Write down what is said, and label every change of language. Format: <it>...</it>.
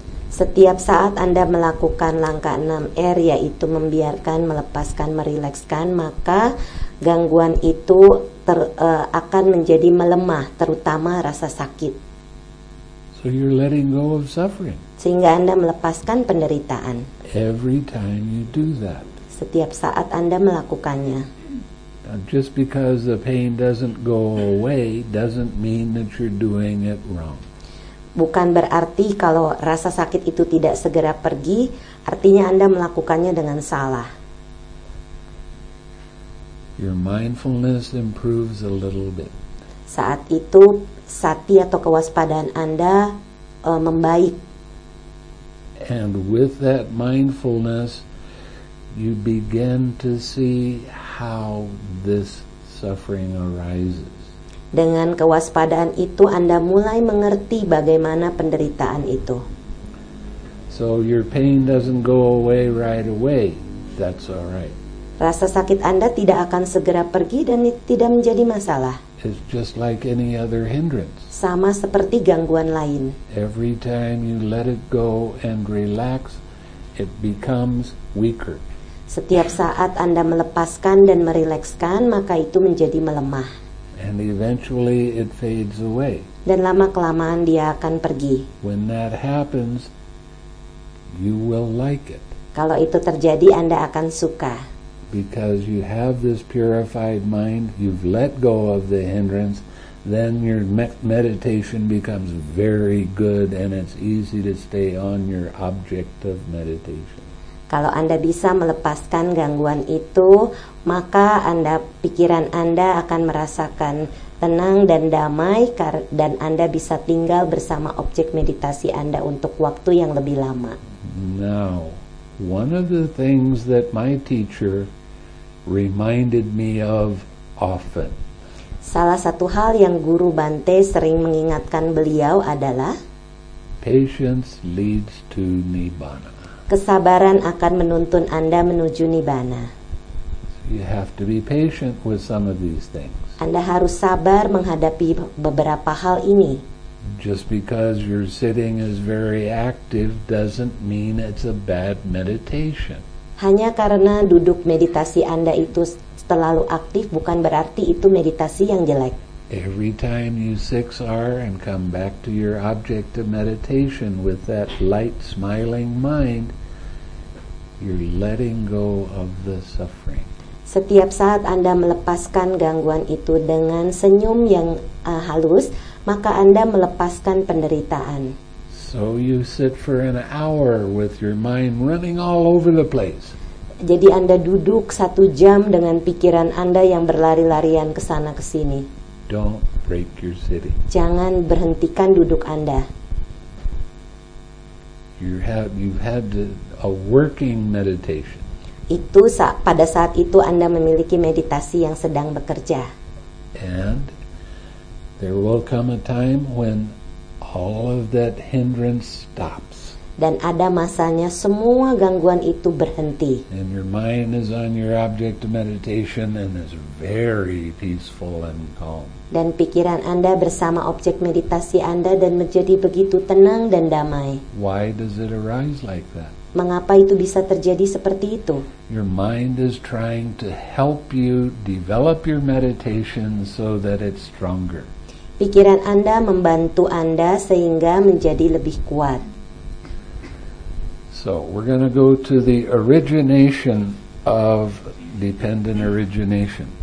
<id>Setiap saat Anda melakukan langkah 6R, yaitu membiarkan, melepaskan, merilekskan, maka gangguan itu akan menjadi melemah, terutama rasa sakit.</id> <en>So you're letting go of suffering.</en> <id>Sehingga Anda melepaskan penderitaan.</id> <en>Every time you do that.</en> <id>Setiap saat Anda melakukannya.</id> <en>Just because the pain doesn't go away doesn't mean that you're doing it wrong.</en> <id>Bukan berarti kalau rasa sakit itu tidak segera pergi, artinya Anda melakukannya dengan salah.</id> <en>Your mindfulness improves a little bit.</en> <id>Saat itu sati atau kewaspadaan Anda membaik.</id> <en>And with that mindfulness, you begin to see how this suffering arises.</en> <id>Dengan kewaspadaan itu, Anda mulai mengerti bagaimana penderitaan itu.</id> <en>So your pain doesn't go away right away. That's all right.</en> <id>Rasa sakit Anda tidak akan segera pergi dan tidak menjadi masalah.</id> <en>It's just like any other hindrance.</en> <id>Sama seperti gangguan lain.</id> <en>Every time you let it go and relax, it becomes weaker.</en> <id>Setiap saat Anda melepaskan dan merilekskan, maka itu menjadi melemah.</id> <en>And eventually it fades away.</en> <id>Dan lama kelamaan dia akan pergi.</id> <en>When that happens, you will like it.</en> <id>Kalau itu terjadi, Anda akan suka.</id> <en>Because you have this purified mind, you've let go of the hindrance, then your meditation becomes very good and it's easy to stay on your object of meditation.</en> <id>Kalau Anda bisa melepaskan gangguan itu, maka Anda, pikiran Anda akan merasakan tenang dan damai, dan Anda bisa tinggal bersama objek meditasi Anda untuk waktu yang lebih lama.</id> <en>Now, one of the things that my teacher reminded me of often.</en> <id>Salah satu hal yang Guru Bante sering mengingatkan beliau adalah</id> <en>patience leads to nibbana.</en> <id>Kesabaran akan menuntun Anda menuju nibbana.</id> <en>You have to be patient with some of these things.</en> <id>Anda harus sabar menghadapi beberapa hal ini.</id> <en>Just because your sitting is very active doesn't mean it's a bad meditation.</en> <id>Hanya karena duduk meditasi Anda itu terlalu aktif bukan berarti itu meditasi yang jelek.</id> <en>Every time you 6R and come back to your object of meditation with that light smiling mind, you're letting go of the suffering.</en> <id>Setiap saat Anda melepaskan gangguan itu dengan senyum yang halus, maka Anda melepaskan penderitaan.</id> <en>So you sit for an hour with your mind running all over the place.</en> <id>Jadi Anda duduk satu jam dengan pikiran Anda yang berlari-larian ke sana ke sini.</id> <en>Don't break your sitting.</en> <id>Jangan berhentikan duduk Anda.</id> <en>You've had a working meditation.</en> <id>Itu pada saat itu Anda memiliki meditasi yang sedang bekerja.</id> <en>And there will come a time when all of that hindrance stops.</en> <id>Dan ada masanya semua gangguan itu berhenti.</id> <en>And your mind is on your object of meditation and is very peaceful and calm.</en> <id>Dan pikiran Anda bersama objek meditasi Anda dan menjadi begitu tenang dan damai.</id> <en>Why does it arise like that?</en> <id>Mengapa itu bisa terjadi seperti itu?</id> <en>Your mind is trying to help you develop your meditation so that it's stronger.</en> <id>Pikiran Anda membantu Anda sehingga menjadi lebih kuat.</id> <en>So, we're going to go to the origination of dependent origination.</en>